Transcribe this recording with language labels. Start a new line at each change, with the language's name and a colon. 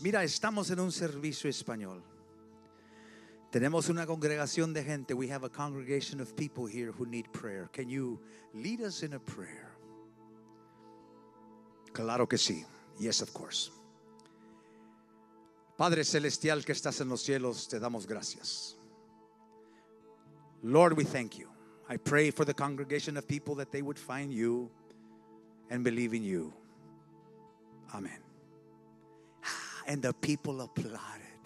Spanish: Mira, estamos en un servicio español. Tenemos una congregación de gente.
English: We have a congregation of people here who need prayer. Can you lead us in a prayer?
Spanish: Claro que sí.
English: Yes, of course.
Spanish: Padre celestial que estás en los cielos, te damos gracias.
English: Lord, we thank you. I pray for the congregation of people that they would find you and believe in you. Amen. And the people applauded.